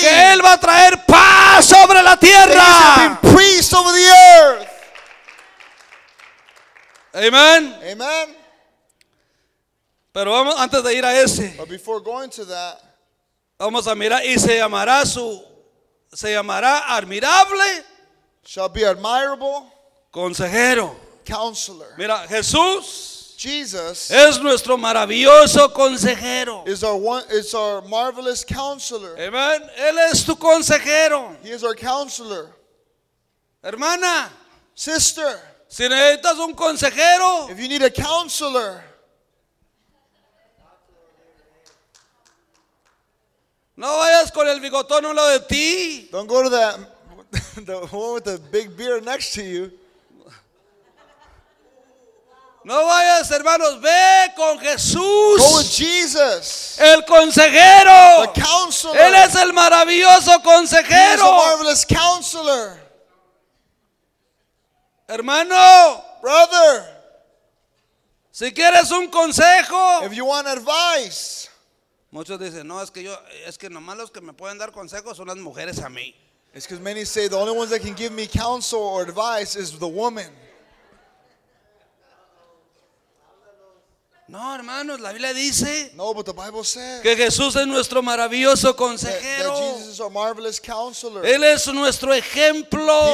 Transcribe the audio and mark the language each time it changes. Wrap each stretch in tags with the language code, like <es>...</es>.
<es>que Él va a traer paz sobre la tierra.</es> <en>That He's going to bring peace over the earth.</en> <es>Amen.</es> <en>Amen.</en> <es>Pero vamos, antes de ir a ese,</es> <en>but before going to that,</en> <es>vamos a mirar y se llamará su, se llamará admirable,</es> <en>shall be admirable,</en> <es>consejero,</es> <en>counselor.</en> <es>Mira, Jesús,</es> <en>Jesus,</en> <es>es nuestro maravilloso consejero.</es> <en>Is our one, is our marvelous counselor.</en> <es>Amen. Él es tu consejero.</es> <en>He is our counselor.</en> <es>Hermana,</es> <en>sister,</en> <es>si necesitas un consejero,</es> <en>if you need a counselor.</en> <es>No vayas con el bigotón uno de ti.</es> <en>Don't go to the one with the big beard next to you.</en> <es>No vayas, hermanos, ve con Jesús.</es> <en>Go with Jesus.</en> <es>El consejero.</es> <en>The counselor.</en> <es>Él es el maravilloso consejero.</es> <en>He is a marvelous counselor.</en> <es>Hermano.</es> <en>Brother.</en> <es>Si quieres un consejo.</es> <en>If you want advice.</en> <es>Muchos dicen, no, es que yo, es que nomás los que me pueden dar consejos son las mujeres a mí.</es> <en>It's because many say the only ones that can give me counsel or advice is the woman.</en> <es>No, hermanos, la Biblia dice,</es> <en>no, but the Bible says,</en> <es>que Jesús es nuestro maravilloso consejero.</es> <en>That Jesus is our marvelous counselor.</en> <es>Él es nuestro ejemplo.</es>